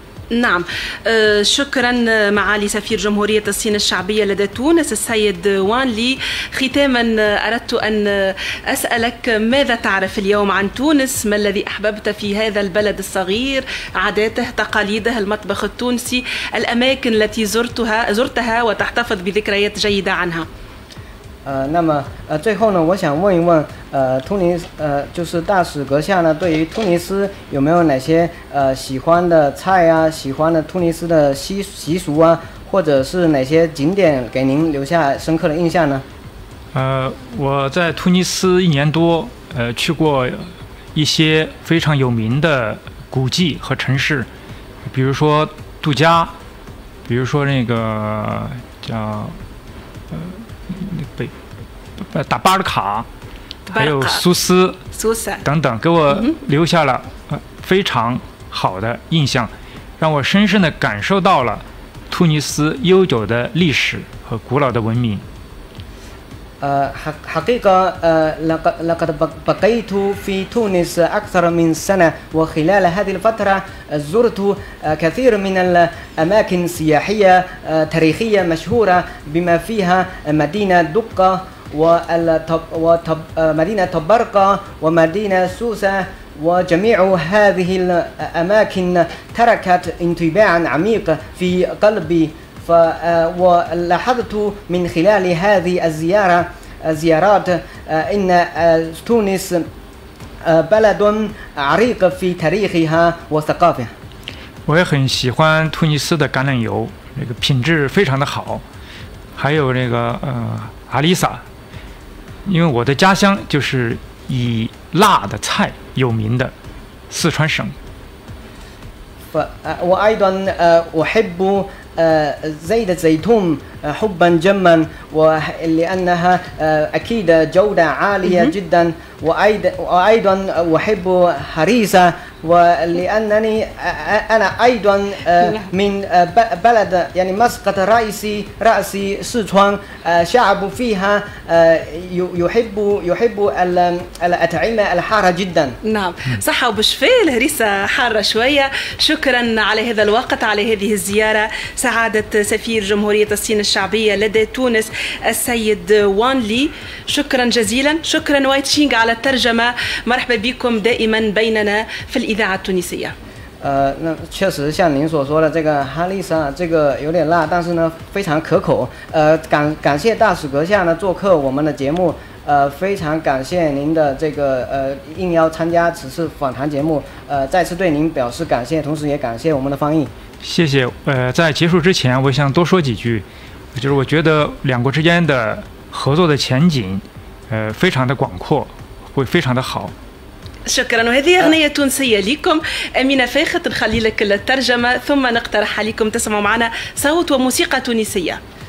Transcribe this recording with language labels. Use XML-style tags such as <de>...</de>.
<ar>نعم شكرا معالي سفير جمهورية الصين الشعبية لدى تونس السيد وان لي. ختاما أردت أن أسألك، ماذا تعرف اليوم عن تونس؟ ما الذي أحببت في هذا البلد الصغير؟ عاداته، تقاليده، المطبخ التونسي، الأماكن التي زرتها وتحتفظ بذكريات جيدة عنها؟</ar> <zh>那么最后呢，我想问一问突尼斯就是大使阁下呢，对于突尼斯有没有哪些喜欢的菜啊，喜欢的突尼斯的习俗啊，或者是哪些景点给您留下深刻的印象呢？我在突尼斯一年多，去过一些非常有名的古迹和城市，比如说杜加，比如说那个叫打巴尔卡，还有苏斯等等，给我留下了非常好的印象，让我深深的感受到了突尼斯悠久的历史和古老的文明。</zh> <ar>حقيقة لقد بقيت في تونس أكثر من سنة وخلال هذه الفترة زرت كثير من الأماكن السياحية تاريخية مشهورة بما فيها مدينة دقة ومدينة طبرقة ومدينة سوسة وجميع هذه الأماكن تركت انطباعا عميقا في قلبي. ولاحظت من خلال هذه الزيارات إن تونس بلد عريق في تاريخها وثقافتها.</ar> <zh>我也很喜欢突尼斯的橄榄油，那个品质非常的好。还有那个阿里萨，因为我的家乡就是以辣的菜有名的四川省。我</zh> <ar>ايضا احب زيت الزيتون حبا جما لانها اكيد جوده عاليه جدا وايضا احب هريسه ولانني انا ايضا من بلد يعني مسقط راسي سيشوان شعب فيها يحب الاطعمه الحاره جدا. نعم صحه وبشفاء الهريسه حاره شويه. شكرا على هذا الوقت على هذه الزياره سعاده سفير جمهوريه الصين الشعبيه لدى تونس السيد وان لي. شكرا جزيلا. شكرا واي تشينغ على الترجمة. مرحبا بكم دائما بيننا في الإذاعة التونسية.</ar> <zh>确实像您所说的这个哈丽莎这个有点辣，但是呢非常可口。感谢大使阁下呢做客我们的节目，非常感谢您的这个应邀参加此次访谈节目，再次对您表示感谢，同时也感谢我们的翻译。谢谢。在结束之前我想多说几句，就是我觉得两国之间的合作的前景非常的广阔，会非常的好。</zh> <ar>شكرا. وهذه أغنية تونسية لكم أمينة فاخت. نخلي لك الترجمة ثم نقترح عليكم تسمعوا معنا صوت وموسيقى تونسية.</ar>